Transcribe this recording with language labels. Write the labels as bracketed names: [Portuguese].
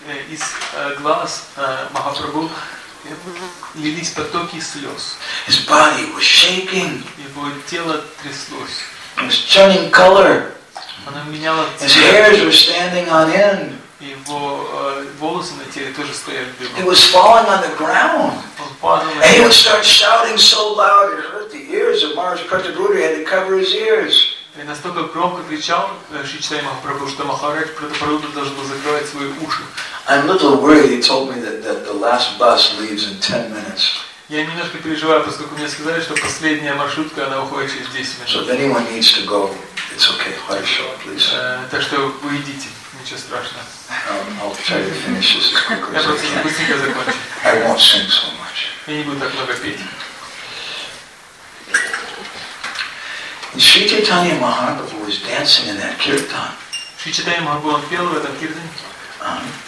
[Russian] Из глаз Махапрабху лились потоки слез. [English] His body was shaking. [Russian] Его тело тряслось. [English] It was turning color. [Russian] Оно меняло цвет. [English] His hairs were standing on end. [Russian] Его волосы на теле тоже стояли дыбом. [English] He was falling on the ground. [Russian] Он падал. [English] And he would start shouting so loud it hurt the ears of Maharaj Pratapurudra. He had to cover his ears. [Russian] И настолько громко кричал Шри Чайтанья Махапрабху, что Махарадж Пратапарудра должен был закрывать свои уши. [English] I'm a little worried. He told me that the last bus leaves in 10 minutes. [Russian] Я немножко переживаю, поскольку мне сказали, что последняя маршрутка она уходит через 10 минут. [English] So if anyone needs to go, it's okay. Hurry up, please. [Russian] Так что вы идите, ничего страшного. [English] I'll try to finish this as quickly as I can. I won't sing so much. [Russian] Я не буду так много петь. [English] Shri Chaitanya Mahaprabhu was dancing in that kirtan. Shri Chaitanya Mahaprabhu on field at that kirtan.